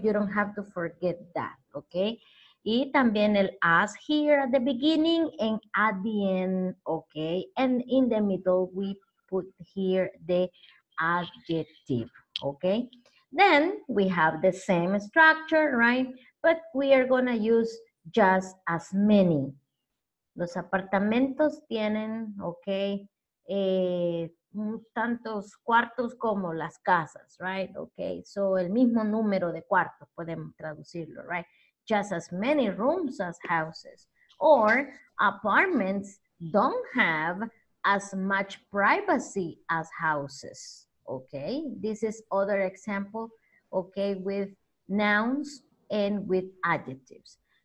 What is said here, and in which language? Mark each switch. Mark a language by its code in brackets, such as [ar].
[en] You don't have to forget that. Okay, [es] y también el [en] as here at the beginning and at the end, okay, and in the middle we put here the adjective, okay. Then we have the same structure, right, but we are going to use just as many. [es] Los apartamentos tienen, okay, tantos cuartos como las casas, right, okay. So el mismo número de cuartos, podemos traducirlo, right. [en] Just as many rooms as houses. Or apartments don't have as much privacy as houses. Okay, this is other example, okay, with nouns and with adjectives.